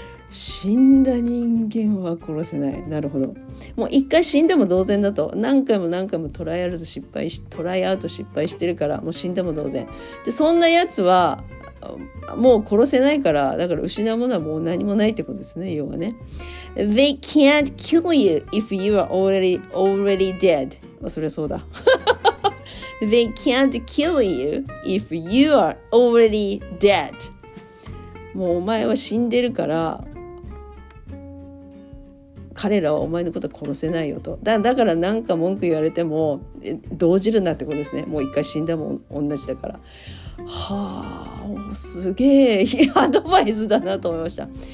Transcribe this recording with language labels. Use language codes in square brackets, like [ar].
[ja] 死んだ人間は殺せない、なるほど。もう一回死んでも同然だと、何回も何回もトライアウト失敗してるから、もう死んでも同然で、そんなやつはもう殺せないから、だから失うものはもう何もないってことですね、要はね。 [en] They can't kill you if you are already dead。 [ja] それはそうだ。 [en] They can't kill you if you are already dead。 [ja] もうお前は死んでるから、彼らはお前のことは殺せないよと。だから何か文句言われても動じるなってことですね。もう一回死んだもん同じだから。はあ、すげえアドバイスだなと思いました。